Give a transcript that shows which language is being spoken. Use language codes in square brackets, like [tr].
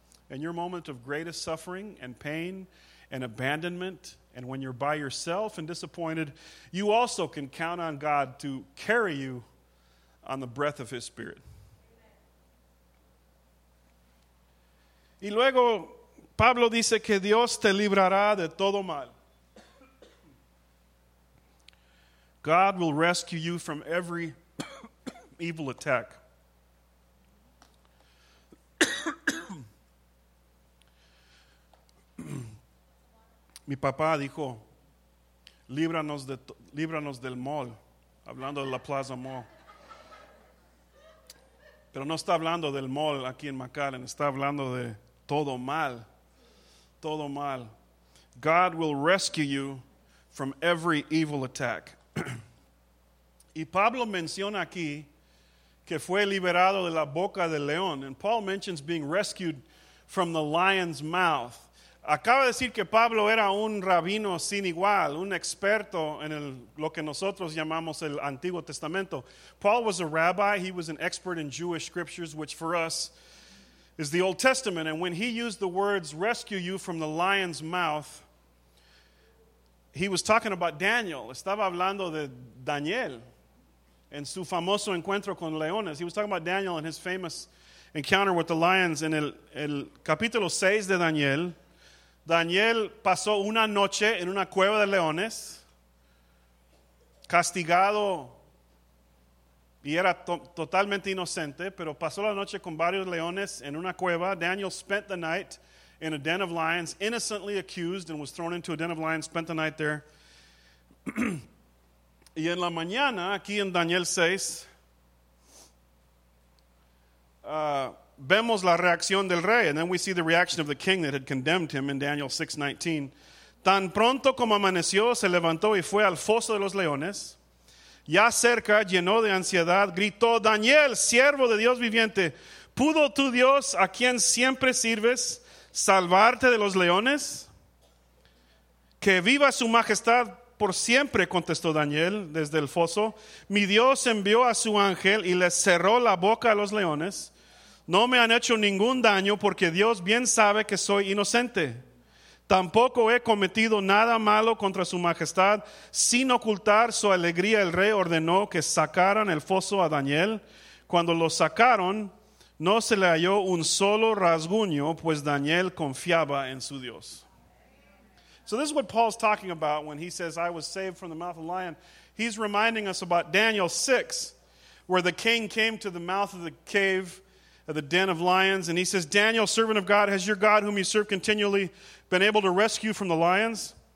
[en] In your moment of greatest suffering and pain and abandonment, and when you're by yourself and disappointed, you also can count on God to carry you on the breath of His Spirit. [es] Y luego, Pablo dice que Dios te librará de todo mal. [en] God will rescue you from every evil attack. [es] Mi papá dijo, líbranos del mall, hablando de la Plaza Mall. Pero no está hablando del mall aquí en McAllen, está hablando de todo mal, todo mal. [en] God will rescue you from every evil attack. [es] Y Pablo menciona aquí que fue liberado de la boca del león. [en] And Paul mentions being rescued from the lion's mouth. [es] Acaba de decir que Pablo era un rabino sin igual, un experto en lo que nosotros llamamos el Antiguo Testamento. [en] Paul was a rabbi. He was an expert in Jewish scriptures, which for us is the Old Testament. And when he used the words rescue you from the lion's mouth, he was talking about Daniel. [es] Estaba hablando de Daniel en su famoso encuentro con leones. [en] He was talking about Daniel and his famous encounter with the lions. [es] In el capítulo 6 de Daniel, Daniel pasó una noche en una cueva de leones, castigado, y era totalmente inocente, pero pasó la noche con varios leones en una cueva. [en] Daniel spent the night in a den of lions, innocently accused, and was thrown into a den of lions, spent the night there. [es] Y en la mañana, aquí en Daniel 6, vemos la reacción del rey. [en] And then we see the reaction of the king that had condemned him in Daniel 6:19. [es] Tan pronto como amaneció, se levantó y fue al foso de los leones. Ya cerca, lleno de ansiedad, gritó, Daniel, siervo de Dios viviente, ¿pudo tu Dios, a quien siempre sirves, salvarte de los leones? Que viva su majestad por siempre, contestó Daniel desde el foso. Mi Dios envió a su ángel y les cerró la boca a los leones. No me han hecho ningún daño porque Dios bien sabe que soy inocente. Tampoco he cometido nada malo contra su majestad. Sin ocultar su alegría, el rey ordenó que sacaran el foso a Daniel. Cuando lo sacaron, no se le halló un solo rasguño, pues Daniel confiaba en su Dios. [en] So this is what Paul's talking about when he says, I was saved from the mouth of the lion. He's reminding us about Daniel 6, where the king came to the mouth of the cave, the den of lions, and he says, Daniel, servant of God, has your God whom you serve continually been able to rescue from the lions?